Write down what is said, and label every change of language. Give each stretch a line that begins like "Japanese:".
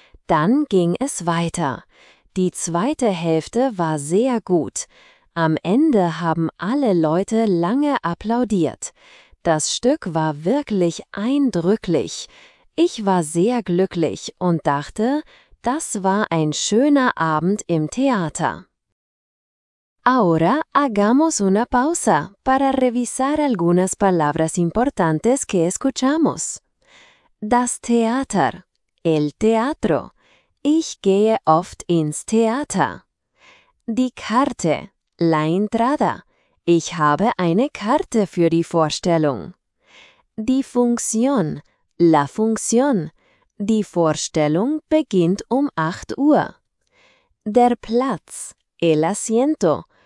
German: Dann ging es weiter. Die zweite Hälfte war sehr gut. Am Ende haben alle Leute lange applaudiert. Das Stück war wirklich eindrücklich. Ich war sehr glücklich und dachte, das war ein schöner Abend im Theater.
Spanish: Ahora hagamos una pausa para revisar algunas palabras importantes que escuchamos.
German: Das Theater,
Spanish: el teatro.
German: Ich gehe oft ins Theater. Die Karte,
Spanish: la entrada.
German: Ich habe eine Karte für die Vorstellung. Die Funktion,
Spanish: la función.
German: Die Vorstellung beginnt um 8 Uhr. Der Platz,
Spanish: el asiento.